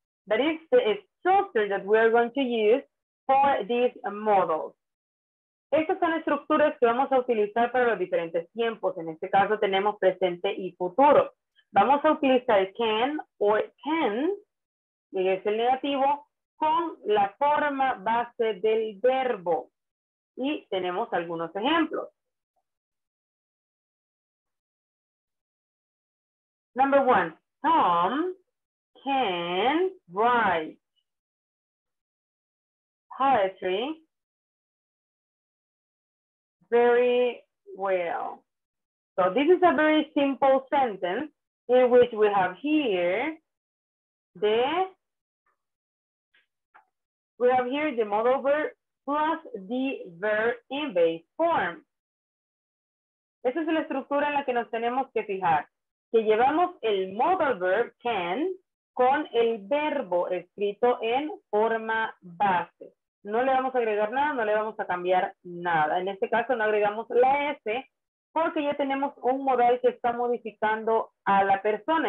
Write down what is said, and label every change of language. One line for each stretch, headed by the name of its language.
English: That is the structure that we are going to use for these models.
Spanish: Estas son estructuras que vamos a utilizar para los diferentes tiempos. En este caso tenemos presente y futuro. Vamos a utilizar can o can, que es el negativo, con la forma base del verbo. Y tenemos algunos ejemplos.
English: Number one, Tom can write poetry very well. So this is a very simple sentence in which we have here the modal verb plus the verb in base form.
Spanish: Esa es la estructura en la que nos tenemos que fijar. Que llevamos el modal verb can con el verbo escrito en forma base. No le vamos a agregar nada, no le vamos a cambiar nada. En este caso no agregamos la S porque ya tenemos un modal que está modificando a la persona.